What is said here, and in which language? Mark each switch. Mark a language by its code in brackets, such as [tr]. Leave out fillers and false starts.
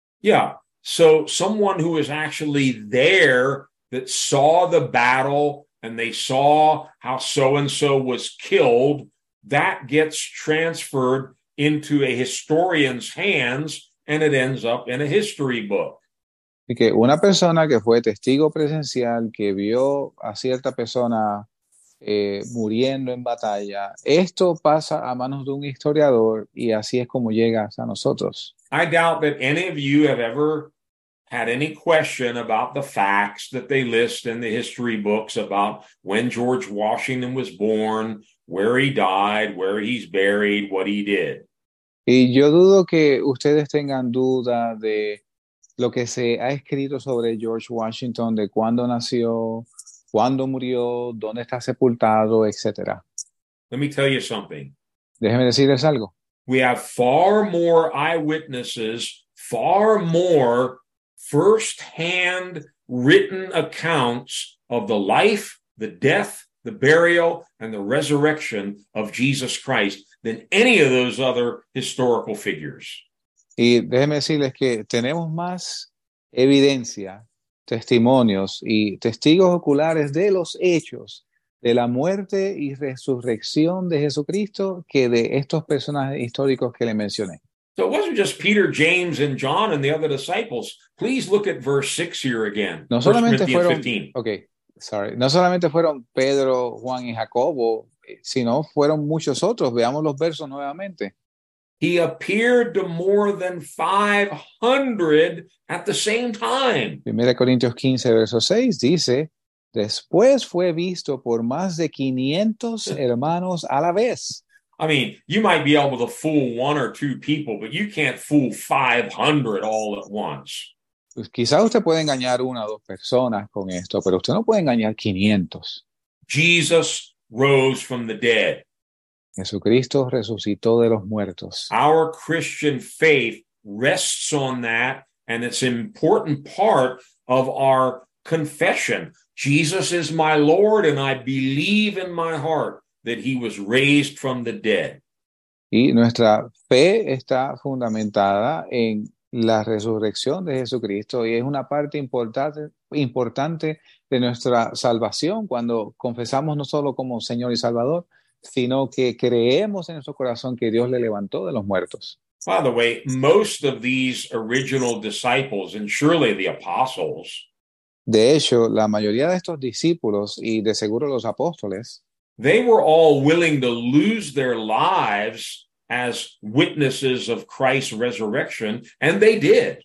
[en] Yeah, so someone who is actually there that saw the battle and they saw how so-and-so was killed, that gets transferred into a historian's hands and it ends up in a history book. [es] Y que una persona que fue testigo presencial, que vio a cierta persona muriendo en batalla, esto pasa a manos de un historiador y así es como llega a nosotros. [en] I doubt that any of you have ever had any question about the facts that they list in the history books about when George Washington was born, where he died, where he's buried, what he did. [es] Y yo dudo que ustedes tengan duda de lo que se ha escrito sobre George Washington, de cuándo nació, cuándo murió, dónde está sepultado, etc. [en] Let me tell you something. [es] Déjeme decirles algo. [en] We have far more eyewitnesses, far more first-hand written accounts of the life, the death, the burial, and the resurrection of Jesus Christ than any of those other historical figures. [es] Y déjeme decirles que tenemos más evidencia, testimonios y testigos oculares de los hechos de la muerte y resurrección de Jesucristo que de estos personajes históricos que le mencioné. [en] So it wasn't just Peter, James, and John and the other disciples. Please look at verse 6 here again. [es] No solamente fueron, 15. [en] Okay, sorry. [es] No solamente fueron Pedro, Juan, y Jacobo, sino fueron muchos otros. Veamos los versos nuevamente. [en] He appeared to more than 500 at the same time. [es] 1 Corintios 15, verso 6 dice, después fue visto por más de 500 hermanos a la vez. [en] I mean, you might be able to fool one or two people, but you can't fool 500 all at once. [es] Pues quizá usted puede engañar una o dos personas con esto, pero usted no puede engañar 500. [en] Jesus rose from the dead. [es] Jesucristo resucitó de los muertos. [en] Our Christian faith rests on that, and it's an important part of our confession. Jesus is my Lord, and I believe in my heart that he was raised from the dead. [es] Y nuestra fe está fundamentada en la resurrección de Jesucristo, y es una parte importante de nuestra salvación cuando confesamos no solo como Señor y Salvador, sino que creemos en nuestro corazón que Dios le levantó de los muertos. [en] By the way, most of these original disciples and surely the apostles. [es] De hecho, la mayoría de estos discípulos y de seguro los apóstoles. [en] They were all willing to lose their lives as witnesses of Christ's resurrection, and they did.